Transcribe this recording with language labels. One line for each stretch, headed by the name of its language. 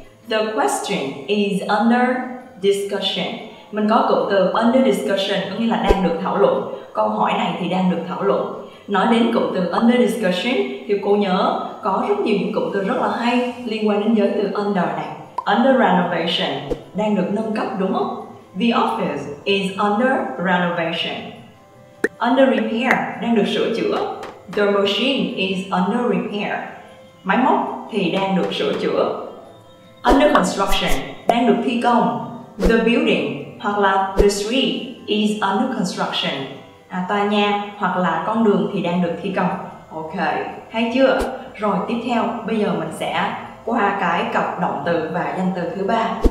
English: The question is under discussion.
Vietnamese: Mình có cụm từ under discussion có nghĩa là đang được thảo luận. Câu hỏi này thì đang được thảo luận. Nói đến cụm từ under discussion thì cô nhớ có rất nhiều những cụm từ rất là hay liên quan đến giới từ under này. Under renovation, đang được nâng cấp đúng không?
English: The office is under renovation.
Vietnamese: Under repair, đang được sửa chữa.
English: The machine is under repair.
Vietnamese: Máy móc thì đang được sửa chữa. Under construction, đang được thi công.
English: The building
Vietnamese: hoặc là
English: the street is under construction.
Vietnamese: Tòa nhà hoặc là con đường thì đang được thi công. Ok, hay chưa? Rồi tiếp theo, bây giờ mình sẽ qua cái cặp động từ và danh từ thứ ba.